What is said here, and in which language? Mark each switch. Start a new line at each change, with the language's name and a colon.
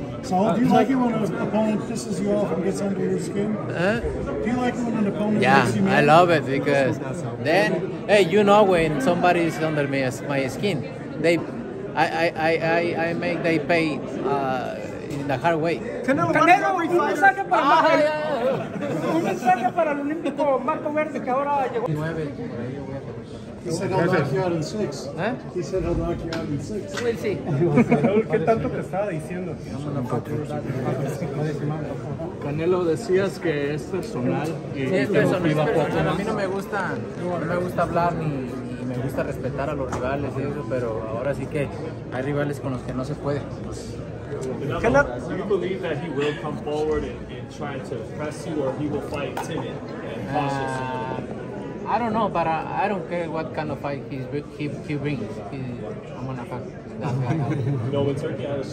English: So do you like it when an opponent pisses you off and gets under your skin? Do you like it when an opponent makes you mad? I love it because then, hey, you know when somebody is under my skin, I make they pay in the hard way.
Spanish: Canelo, un mensaje para Maja. Un mensaje para el olímpico Marco Verde que ahora llegó. Nueve. Canelo, decías que es personal. Sí, es personal. A mí no me gusta hablar ni me gusta respetar a los rivales, eso, pero ahora sí que hay rivales con los que no se puede.
English: Do you believe that he will come forward and try to press you, or he will fight timid and cautious? I don't know, but I don't care what kind of fight he brings. I'm gonna fuck that guy. You know, when Turkey had a